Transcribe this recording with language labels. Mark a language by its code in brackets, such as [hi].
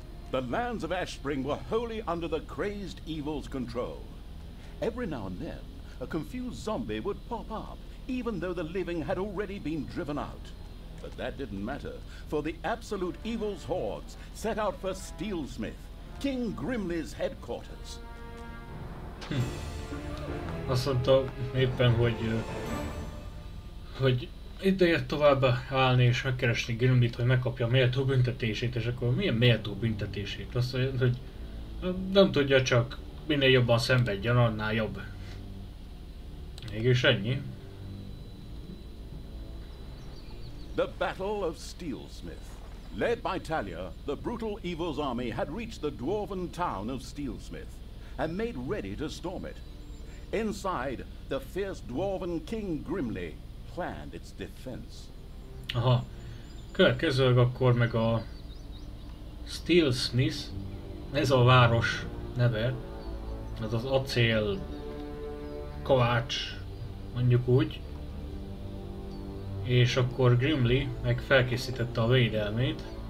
[en] The lands of Ashspring were wholly under the crazed evil's control. Every now and then, a confused zombie would pop up, even though the living had already been driven out. But that didn't matter, for the absolute evil's hordes set out for Steelsmith, King Grimly's headquarters. [hu] Azt mondta éppen, hogy ide jött tovább állni és megkeresni Grimlyt, hogy megkapja a méltó büntetését, és akkor milyen méltó büntetését? Azt mondja, hogy nem tudja, csak minél jobban szenvedjen, annál jobb. Mégis ennyi. [en] The Battle of Steelsmith. Led by Talia, the brutal evil's army had reached the dwarven town of Steelsmith and made ready to storm it. Inside, the fierce dwarven King Grimly planned its defense. [hu] Aha, következőleg akkor meg a Steelsmith, ez a város neve, ez az acél, kovács, mondjuk úgy. És akkor Grimly meg felkészítette a védelmét.